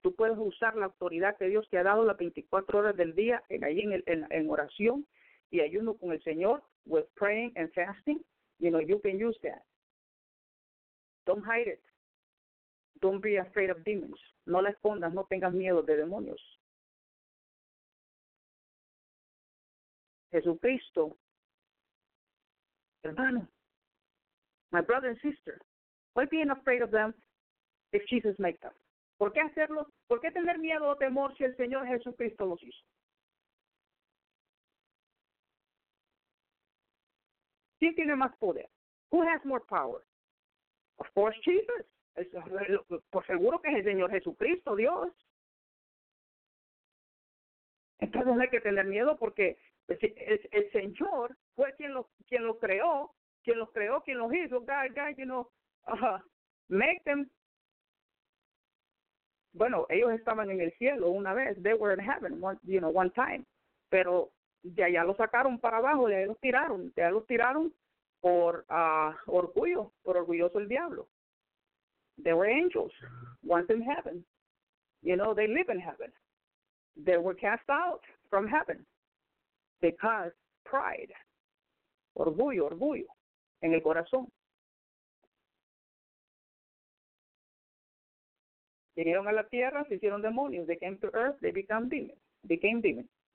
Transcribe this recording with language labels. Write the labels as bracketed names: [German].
[Spanish] Tú puedes usar la autoridad que Dios te ha dado las 24 horas del día en oración y ayuno con el Señor, with praying and fasting. [English] You know, you can use that. Don't hide it. Don't be afraid of demons. [Spanish] No la escondas, no tengas miedo de demonios. [English] Jesucristo, hermano, my brother and sister, why being afraid of them? If Jesus made them. ¿Por qué hacerlo? [Spanish] ¿Por qué tener miedo o temor si el Señor Jesucristo los hizo? [English] ¿Quién tiene más poder? Who has more power? Of course, Jesus. [Spanish] Por seguro que es el Señor Jesucristo, Dios. Entonces no hay que tener miedo porque el Señor fue quien los creó, quien los hizo. [English] God, you know, make them. [Spanish] Bueno, ellos estaban en el cielo una vez. [English] They were in heaven, one time. [Spanish] Pero de allá los sacaron para abajo, de allá los tiraron. De allá los tiraron por orgulloso el diablo. [English] They were angels, once in heaven. You know, they live in heaven. They were cast out from heaven because pride, orgullo, en el corazón. [Spanish] Llegaron a la tierra, se hicieron demonios. [English] They came to earth, they became demons.